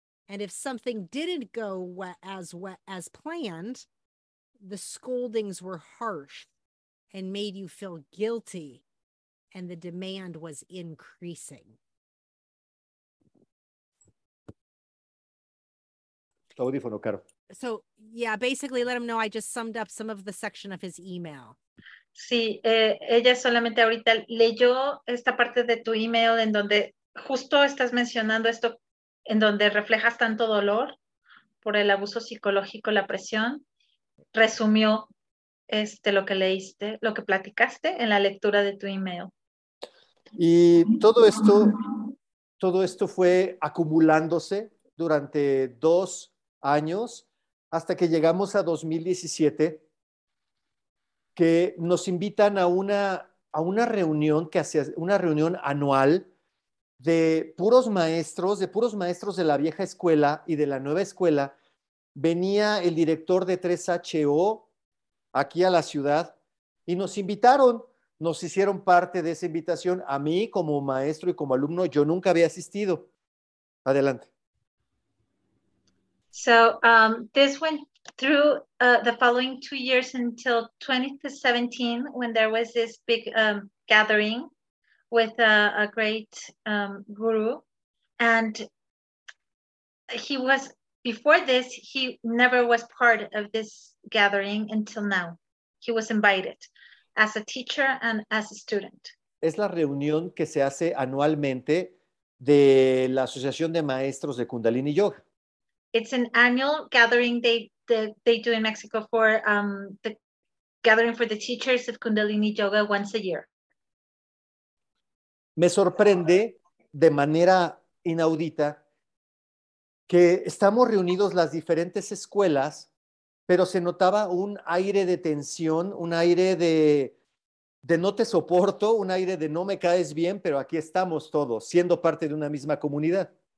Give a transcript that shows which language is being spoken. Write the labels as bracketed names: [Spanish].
[English] And if something didn't go as planned, the scoldings were harsh and made you feel guilty, and the demand was increasing. So, yeah, basically let him know I just summed up some of the section of his email. [Spanish] Sí, ella solamente ahorita leyó esta parte de tu email en donde justo estás mencionando esto, en donde reflejas tanto dolor por el abuso psicológico, la presión. Resumió lo que leíste, lo que platicaste en la lectura de tu email. Y todo esto fue acumulándose durante dos años hasta que llegamos a 2017, que nos invitan a una reunión anual de puros maestros de la vieja escuela y de la nueva escuela. Venía el director de 3HO aquí a la ciudad y nos hicieron parte de esa invitación a mí como maestro y como alumno. Yo nunca había asistido. Adelante. [English] So this went through the following 2 years until 2017, when there was this big gathering with a great guru. And he was, before this, he never was part of this gathering until now. He was invited as a teacher and as a student. [Spanish] Es la reunión que se hace anualmente de la Asociación de Maestros de Kundalini Yoga. [English] It's an annual gathering they do in Mexico for the gathering for the teachers of Kundalini Yoga once a year. [Spanish] Me sorprende de manera inaudita que estamos reunidos las diferentes escuelas, pero se notaba un aire de tensión, un aire de no te soporto, un aire de no me caes bien, pero aquí estamos todos, siendo parte de una misma comunidad.